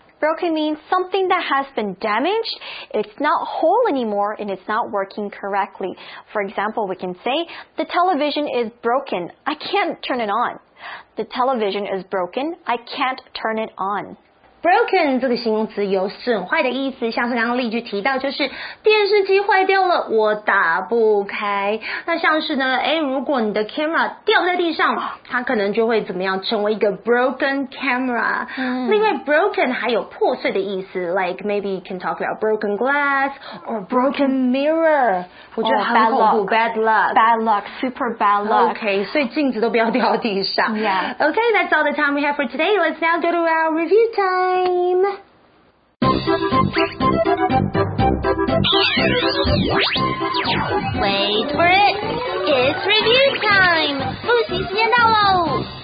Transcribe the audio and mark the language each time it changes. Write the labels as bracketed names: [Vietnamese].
[English] Broken means something that has been damaged, it's not whole anymore, and it's not working correctly. For example, we can say, the television is broken, I can't turn it on. The television is broken, I can't turn it on. [Chinese] Broken 这个形容词有损坏的意思，像是刚刚例句提到，就是电视机坏掉了，我打不开。那像是呢，哎，如果你的 camera 掉在地上，它可能就会怎么样，成为一个 broken camera。另外 broken 还有破碎的意思 ， [English] like maybe you can talk about broken glass or broken mirror。 [Chinese] 我觉得很恐怖 ， [English] bad luck，bad luck，super bad luck。 [Chinese] OK， 所以镜子都不要掉地上。 [English] Yeah. Okay, that's all the time we have for today. Let's now go to our review time. Wait for it. It's review time. [Chinese] 复习时间到喽。